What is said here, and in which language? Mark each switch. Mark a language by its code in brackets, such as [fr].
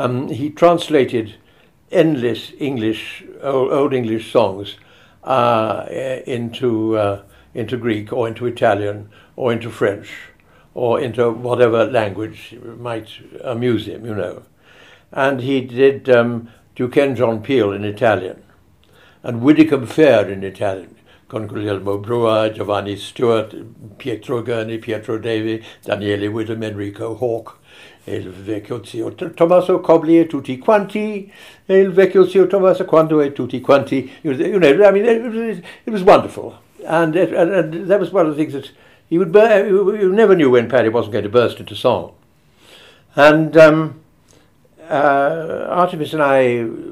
[en] He translated endless English, old English songs into Greek or into Italian or into French or into whatever language might amuse him, you know. And he did Duquesne John Peel in Italian and Widdicombe Fair in Italian. [it] Con Guglielmo Brua, Giovanni Stewart, Pietro Gurney, Pietro Davy, Daniele Widom, Enrico Hawke, il vecchio zio Tommaso Cobley e tutti quanti, il vecchio zio Tommaso quando e tutti quanti. [en] You know, I mean, it was wonderful. And that was one of the things that he would... You never knew when Paddy wasn't going to burst into song. And Artemis and I...